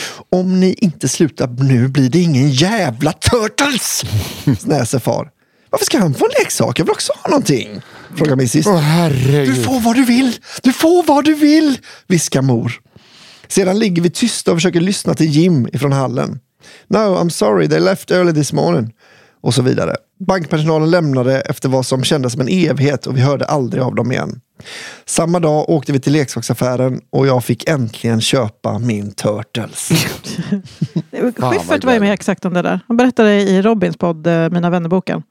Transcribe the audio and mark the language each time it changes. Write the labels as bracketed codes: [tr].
[sv] Om ni inte slutar nu blir det ingen jävla turtles, snäser far. Varför ska han få en leksak? Jag vill också ha någonting, frågar min syster. Åh, herregud. Du får vad du vill, du får vad du vill, viskar mor. Sedan ligger vi tysta och försöker lyssna till Jim ifrån hallen. [en] No, I'm sorry, they left early this morning. [sv] Och så vidare. Bankpersonalen lämnade efter vad som kändes som en evighet och vi hörde aldrig av dem igen. Samma dag åkte vi till leksaksaffären och jag fick äntligen köpa min Turtles. Schiffert var ju med exakt om det där. Han berättade i Robins podd Mina vännerboken.